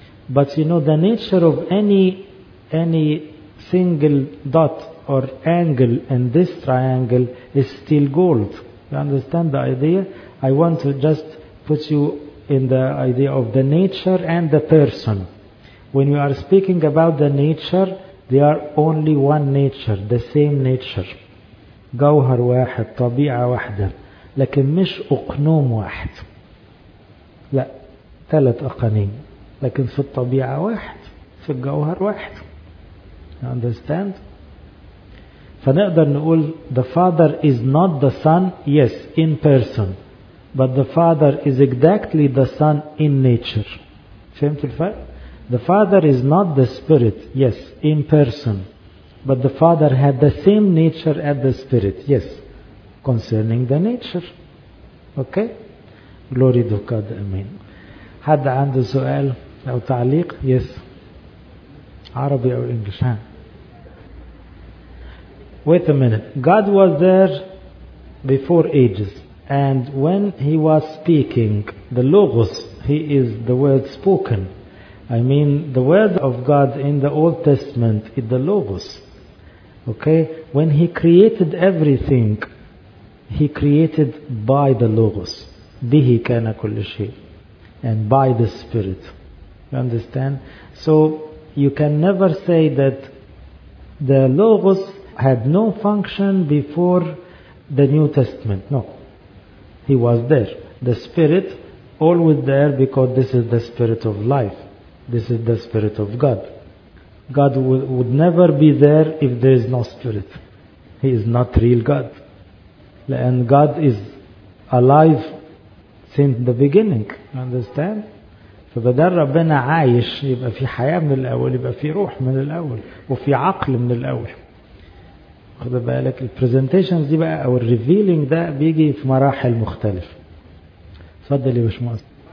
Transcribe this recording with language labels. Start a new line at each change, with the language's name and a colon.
English: But you know, the nature of any single dot or angle in this triangle is still gold. You understand the idea? I want to just put you in the idea of the nature and the person. When we are speaking about the nature, they are only one nature, the same nature.
Arabic: جوهر واحد, طبيعة واحدة, لكن مش أقنوم واحد. لا, ثلاث أقانيم, لكن في الطبيعة واحد, في الجوهر واحد.
English: You understand?
Arabic: فنقدر نقول
English: the Father is not the Son, yes, in person, but the Father is exactly the Son in nature.
Arabic: فهمت الفرق؟
English: The Father is not the Spirit, yes, in person, but the Father had the same nature as the Spirit, yes, concerning the nature. Okay? Glory to God, Amen.
Arabic: حد عنده سؤال أو تعليق؟
English: Yes.
Arabic: عربي أو إنجليش؟
English: Wait a minute. God was there before ages, and when He was speaking, the Logos, He is the word spoken. I mean, the word of God in the Old Testament is the Logos. Okay? When He created everything, He created by the Logos.
Arabic: بِهِ كَانَ كُلِّ شَيْءٍ.
English: And by the Spirit. You understand? So, you can never say that the Logos had no function before the New Testament. No. He was there. The Spirit, always there, because this is the Spirit of life. This is the Spirit of God. God would never be there if there is no Spirit. He is not real God. And God is alive since the beginning. You understand?
Arabic: فبدل ربنا عايش يبقى في حياة من الأول، يبقى في روح من الأول، وفي عقل من الأول. خد بالك الـ presentations دي بقى أو الـ revealing ده بيجي في مراحل مختلفة. تفضل يا باشمهندس.